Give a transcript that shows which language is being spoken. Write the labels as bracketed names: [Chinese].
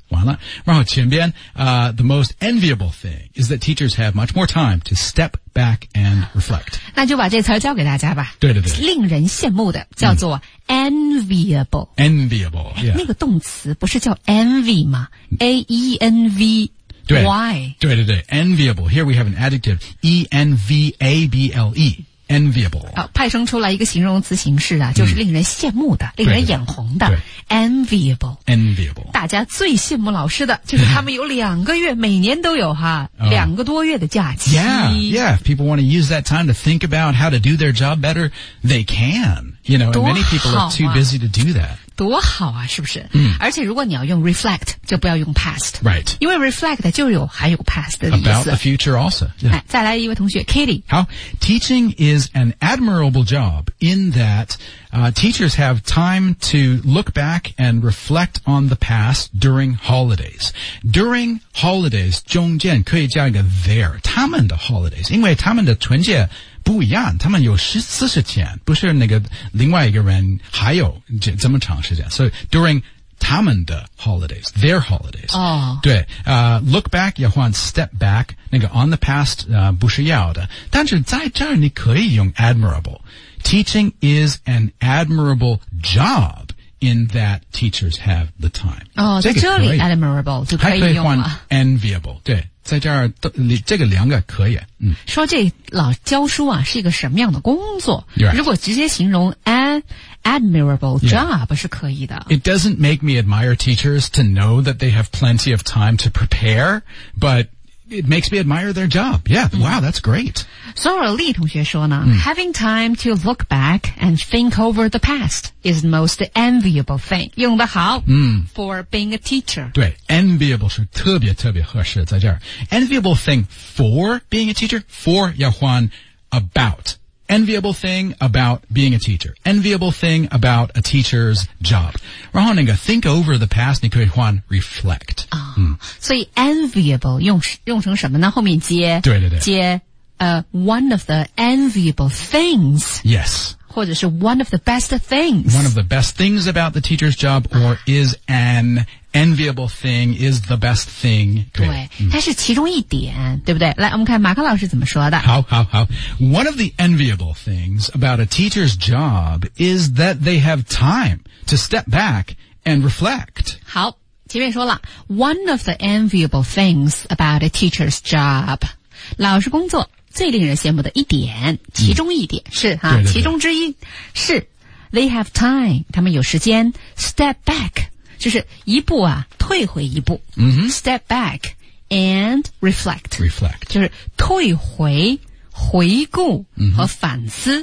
[Chinese] 完了，然后前边 [English] the most enviable thing is that teachers have much more time to step back and reflect. [Chinese] 那就把这词教给大家吧。对对对，令人羡慕的叫做 enviable。 [English] enviable、yeah. [Chinese] 那个动词不是叫 envy 吗 ？A E N V Y。对对对 [English] ，enviable. Here we have an adjective E N V A B L E. enviable. [Chinese] 好、哦，派生出来一个形容词形式啊，就是令人羡慕的，令人眼红的。对对对 [English] Enviable. Enviable. [Chinese] 大家最羡慕老师的就是他们有两个月每年都有哈、两个多月的假期。 [English] Yeah, yeah. If people want to use that time to think about how to do their job better, they can. You know, and many people are too busy to do that. [Chinese] 多好啊是不是、嗯、而且如果你要用 reflect, 就不要用 past. [English] Right. [Chinese] 因为 reflect 就有还有 past 的意思。 [English] About the future also.、Yeah. [Chinese] 再来一位同学 Kitty. [English] 好 Teaching is an admirable job in thatteachers have time to look back and reflect on the past during holidays. [Chinese] During holidays, 中间可以加一个 there, 他们的 holidays, 因为他们的春节不一样他们有40天不是那个另外一个人还有这么长时间。So, during他们的 holidays, [English] their holidays.、 Oh. [Chinese] 对look back, 要换 step back, 那个 on the past, 不是要的。但是在这儿你可以用 admirable. [English] Teaching is an admirable job in that teachers have the time. [Chinese] 哦、oh, 这个、在这里 admirable 就可以用了。还可以换 enviable, 对。在这儿这个两个可以。嗯、说这老教书啊是一个什么样的工作、 [English] right. [Chinese] 如果直接形容 admirable job、yeah. 是可以的。 [English] It doesn't make me admire teachers to know that they have plenty of time to prepare, but... It makes me admire their job. Yeah,、mm. wow, that's great. [Chinese] Sora Lee 同学说呢、mm. [English] having time to look back and think over the past is the most enviable thing. [Chinese] 用得好、 mm. [English] for being a teacher. [Chinese] 对 enviable 是特别特别合适在这儿。 [English] Enviable thing for being a teacher, for 要换 about. Enviable thing about being a teacher. Enviable thing about a teacher's job. [Chinese] 然后那个 think over the past, 你可以换 reflect. 所以 enviable 用成什么呢？后面接对对对接 [English] one of the enviable things. Yes. [Chinese] 或者是 [English] one of the best things. One of the best things about the teacher's job or is an enviable thing, is the best thing. [Chinese] 对、嗯、它是其中一点，对不对？来，我们看马克老师怎么说的。好好好。 [English] One of the enviable things about a teacher's job is that they have time to step back and reflect. [Chinese] 好，前面说了 [English] ,one of the enviable things about a teacher's job. [Chinese] 老师工作最令人羡慕的一点，其中一点、嗯、是哈对对对，其中之一是 [English] they have time, [Chinese] 他们有时间 step back, 就是一步啊退回一步、嗯、 [English] step back and reflect, reflect, [Chinese] 就是退回回顾和反思、